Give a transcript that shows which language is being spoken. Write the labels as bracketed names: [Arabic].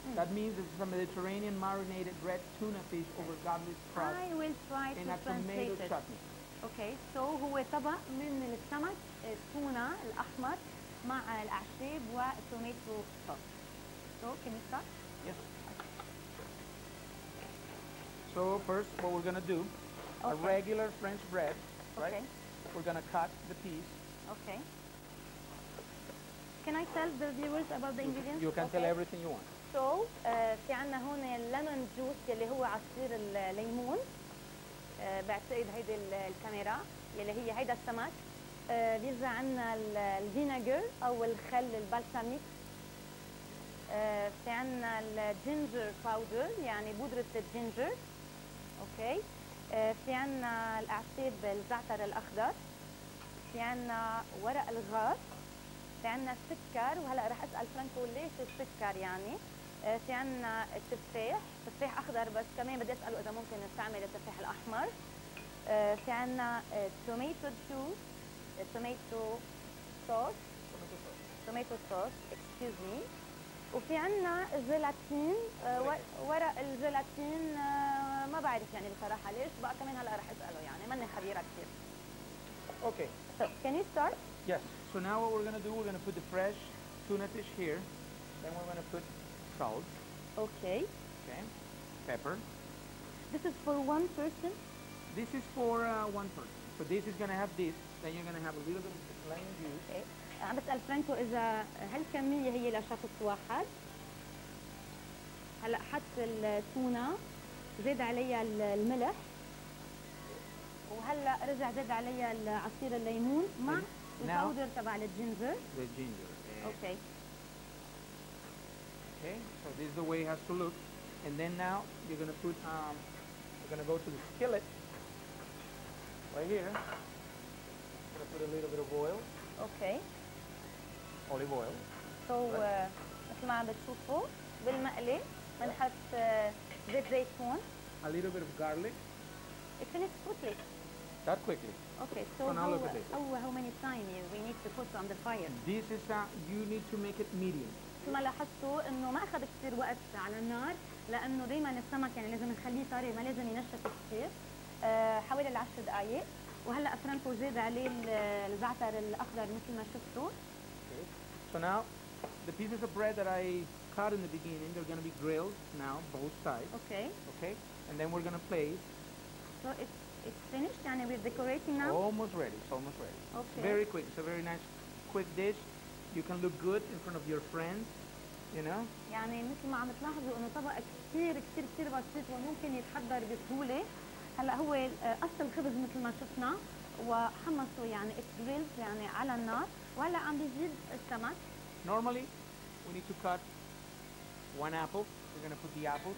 [English] That means it's a Mediterranean marinated red tuna fish over garlic crust. I will try and to translate tomato it. Chutney. Okay, so [Arabic] هو طبق من السمك التونة الأحمر مع الأعشاب والتوميتو صوص. [English] So, can you start? Yes. So, first, what we're going to do, okay. A regular French bread, right? Okay. We're going to cut the piece. Okay. Can I tell the viewers about the ingredients? You can okay. tell everything you want. [Arabic] So, في عنا هون [English] lemon juice [Arabic] يلي هو عصير الليمون. بعتقد هيدي الكاميرا يلي هي هيدا السمك. بيزا عنا الفينيجر أو الخل البلساميك. في عنا الجينجر باودر يعني بودرة الجينجر. أوكي. في عنا الأعشاب الزعتر الأخضر. في عنا ورق الغار. في عنا السكر وهلا رح اسال فرانكو ليش السكر يعني. في عنا التفاح، تفاح اخضر بس كمان بدي اساله اذا ممكن نستعمل التفاح الاحمر. في عنا توميتو جوس، توميتو صوص، توميتو صوص اكسكيوز مي. وفي عنا الجيلاتين، ورق الجيلاتين ما بعرف يعني بصراحه ليش، بقى كمان هلا رح اساله يعني ماني خبيره كثير. اوكي. [English] So, can you start? Yes. So now what we're going to do, we're going to put the fresh tuna fish here. Then we're going to put salt. Okay. Okay. Pepper. This is for one person? This is for one person. So this is going to have this. Then you're going to have a little bit of lemon juice. Okay. [Arabic] عم بسأل فرانكو إذا هل كمية هي لشخص واحد؟ هلا حط التونة، زيد عليها الملح. وهلا رجع زاد علي عصير الليمون مع الباودر تبع الجينجر. الجينجر. اوكي. [English] Okay, so this is the way it has to look. And then now you're gonna put, you're gonna go to the skillet right here. I'm gonna put a little bit of oil. [Arabic] اوكي. [English] Olive oil. [Arabic] So مثل ما عم بتشوفوا بالمقلي بنحط زيت زيتون. [English] A little bit of garlic. It finished quickly. That quickly. Okay, so now look at this. How many time we need to put on the fire? This is a, you need to make it medium. [Arabic] ثم لاحظتوا انه ما اخذ كثير وقت على النار لانه دائما السمك يعني لازم نخليه طري ما لازم ينشف كثير. حوالي 10 دقائق وهلا فرانكو زاد عليه الزعتر الاخضر مثل ما شفتوا. [English] Okay. So now the pieces of bread that I cut in the beginning they're going to be grilled now both sides. Okay. Okay. And then we're going to place. So it's finished, and we're decorating now? Almost ready, it's almost ready. Okay. Very quick, it's a very nice, quick dish. You can look good in front of your friends, you know? [Arabic] يعني مثل ما عم تلاحظوا انه طبق كثير كثير كثير بسيط وممكن يتحضر بسهولة. هلا هو قص الخبز مثل ما شفنا وحمصه يعني grilled يعني على النار وهلا عم بيزيد السمك. [English] Normally, we need to cut one apple. We're going to put the apples